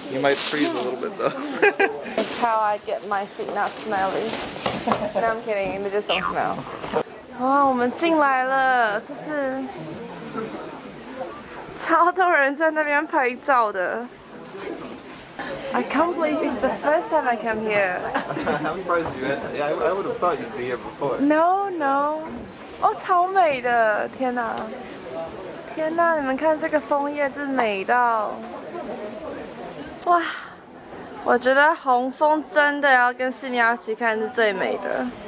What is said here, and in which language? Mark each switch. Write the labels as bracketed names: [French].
[English] You might freeze a little bit though. That's how I get my feet not smelly. No, I'm kidding. It just don't smell. [Chinese] 哇，我们进来了，这是超多人在那边拍照的。 [English] I can't believe it's the first time I come here. I'm surprised you. Yeah, I would have thought you'd be here before. [Chinese] No, no. Oh, 超美的！天哪，天哪！你们看这个枫叶，真美到哇！我觉得红枫真的要跟寺庙一起看是最美的。